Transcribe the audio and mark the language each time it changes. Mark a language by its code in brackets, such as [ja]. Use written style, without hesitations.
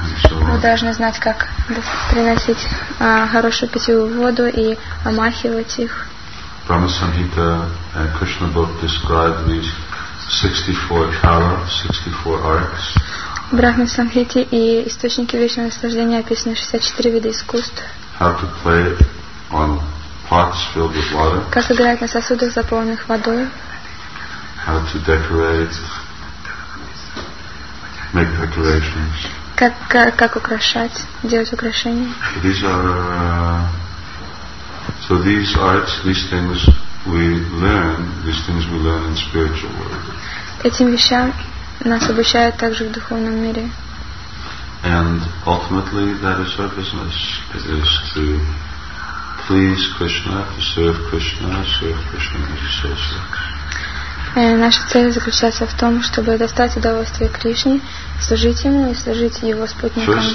[ru] вы должны знать, как приносить хорошую питьевую воду и омахивать их. [en] Brahma Samhita and Krishna book describe these 64 chala, 64 arts. [ru] Брахма Самхите и источники вечного наслаждения описаны 64 вида искусств. [en] How to play on pots filled with water. [ru] Как играть на сосудах, заполненных водой. [en] How to decorate, make decorations. [ru] Как украшать, делать украшения. [en] These are so these arts, these things we learn in spiritual world. [ru] Этим вещам нас обучают также в духовном мире. [en] And ultimately that is our business. It is to please Krishna, to serve Krishna, serve Krishna and his associates. [ru] Наша цель заключается в том, чтобы достать удовольствие Кришне, служить Ему и служить Его спутникам.